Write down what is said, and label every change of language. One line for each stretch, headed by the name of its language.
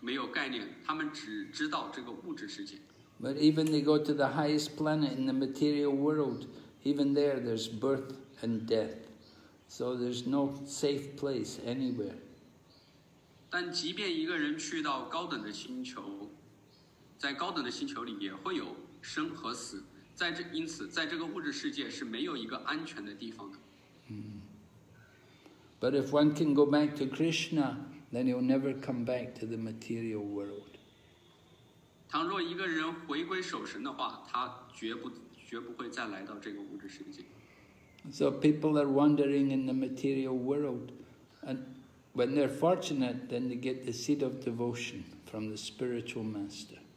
Chinese: 但是人们对灵性世界，对Krishna，对灵性世界完全没有概念，他们只知道这个物质世界。
English: But even they go to the highest planet in the material world, even there, there's birth and death. So there's no safe place anywhere.
Chinese: 但即便一个人去到高等的星球，在高等的星球里也会有生和死。因此在这个物质世界是没有一个安全的地方的。
English: But if one can go back to Krishna, then he'll never come back to the material world.
Chinese: 倘若一个人回归守神的话，他绝不会再来到这个物质世界。
English: So people are wandering in the material world, and when they're fortunate, then they get the seed of devotion from the spiritual master.